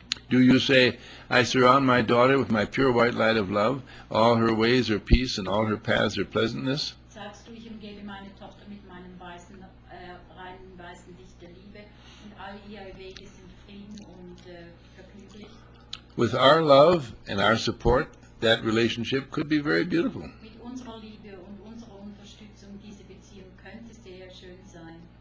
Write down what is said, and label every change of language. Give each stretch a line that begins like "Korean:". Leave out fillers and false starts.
English: Do you say, I surround my daughter with my pure white light of love. All her ways are peace and all her paths are pleasantness.
German: Sagst du, ich umgebe meine Tochter mit meinem weißen, reinen weißen Licht der Liebe und all ihre Wege sind Frieden und vergnüglich.
English: With our love and our support, that relationship could be very beautiful.
German: Mit unserer Liebe und unserer Unterstützung, diese Beziehung könnte sehr schön sein.